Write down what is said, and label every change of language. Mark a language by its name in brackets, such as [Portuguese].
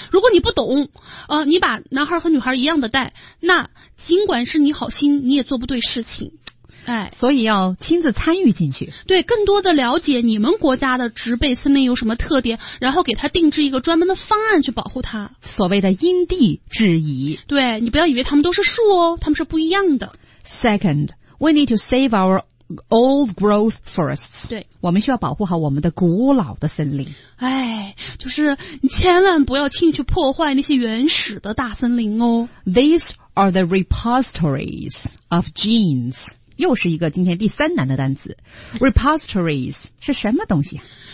[Chinese] 如果你不懂，你把男孩和女孩一样的带，那尽管是你好心，你也做不对事情。哎，所以要亲自参与进去，对，更多的了解你们国家的植被森林有什么特点，然后给他定制一个专门的方案去保护它，所谓的因地制宜。对，你不要以为他们都是树哦，他们是不一样的。 [English] Second, we need to save our old growth forests. [Chinese] 对，我们需要保护好我们的古老的森林。哎，就是你千万不要轻易去破坏那些原始的大森林哦。 [English] These are the repositories of genes. [Chinese] 又是一个今天第三难的单词。 Repositories 是什么东西、啊、